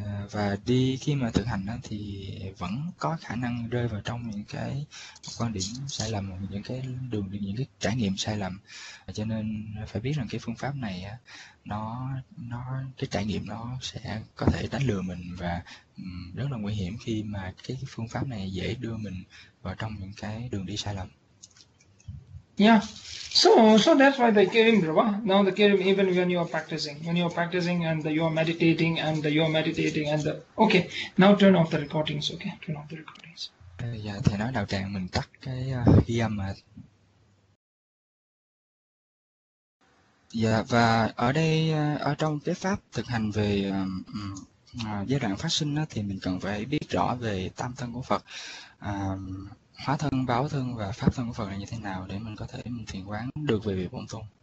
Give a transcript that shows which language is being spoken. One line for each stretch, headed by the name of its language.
Vietnamese: và đi khi mà thực hành đó, thì vẫn có khả năng rơi vào trong những cái quan điểm sai lầm, những cái đường những cái trải nghiệm sai lầm, cho nên phải biết rằng cái phương pháp này nó cái trải nghiệm nó sẽ có thể đánh lừa mình và rất là nguy hiểm khi mà cái phương pháp này dễ đưa mình vào trong những cái đường đi sai lầm.
English: So that's why the Kirim, now the Kirim, even when you are practicing, and you are meditating, okay, now turn off the recordings, okay, turn off the recordings.
Vietnamese: Dạ, thầy nói đạo tràng mình tắt cái ghi âm mà. Dạ, và ở đây ở trong cái pháp thực hành về giai đoạn phát sinh đó, thì mình cần phải biết rõ về tam thân của Phật, hóa thân, báo thân và pháp thân của Phật là như thế nào để mình có thể mình thiền quán được về vị bổn tôn.